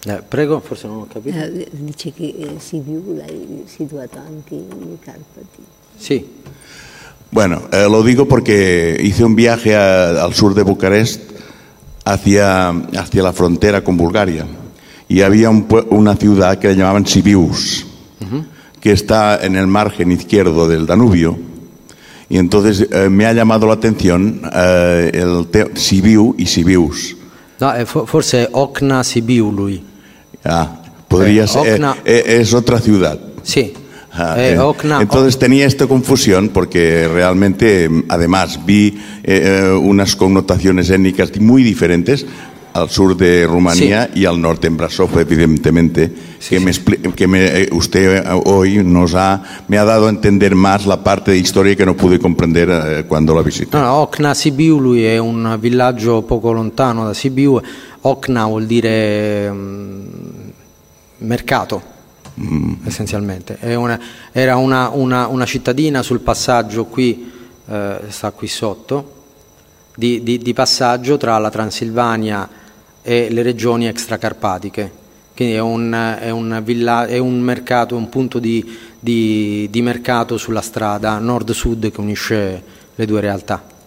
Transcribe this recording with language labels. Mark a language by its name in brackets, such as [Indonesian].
[Italian] Prego, forse non ho capito. Dice che Sibiu l'hai situato anche nei Carpati. Sì. [Spanish] Bueno, [Italian] lo dico perché [Spanish] hice un viaje al sur de Bucarest hacia la frontera con Bulgaria y había una ciudad que la llamaban Sibius, que está en el margen izquierdo del Danubio, y entonces me ha llamado la atención el Sibiu y Sibius. [Italian] No, forse Okna Sibiu lui. [Spanish] Ah, podría ser. Okna... es otra ciudad. Sí. Okna, entonces tenía esta confusión porque realmente, además, vi unas connotaciones étnicas muy diferentes al sur de Rumanía, sí, y al norte en Brasov, evidentemente, sí, que, sí. Usted hoy me ha dado a entender más la parte de historia que no pude comprender cuando la visité. [Italian] No, Okna Sibiu, lui è un villaggio poco lontano da Sibiu. Okna vuol dire mercato. Essenzialmente era una cittadina sul passaggio qui, sta qui sotto, di passaggio tra la Transilvania e le regioni extracarpatiche, quindi è un mercato, un punto di mercato sulla strada nord-sud che unisce le due realtà.